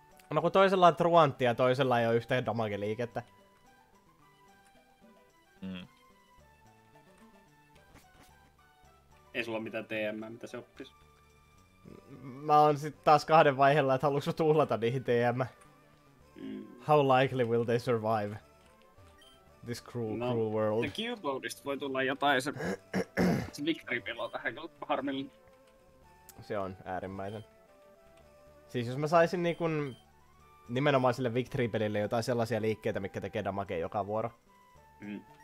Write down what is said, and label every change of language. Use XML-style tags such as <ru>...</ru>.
<fi>No kun toisella on truantti ja toisella ei oo yhtä damage-liikettä. Mm. Ei sulla ole mitään TM, mitä se oppis? Mä oon sit taas kahden vaiheella, että haluuks mä tuhlata niihin TM.</fi> <en>How likely will they survive this cruel, no, cruel world?</en> <fi>The Q-Bodist voi tulla jotain se... se victory-pelo tähän kyllä harmillinen. Se on äärimmäisen. Siis jos mä saisin niinku... nimenomaan sille victory-pelille jotain sellaisia liikkeitä, mitkä tekee damagea joka vuoro. Mm.</fi>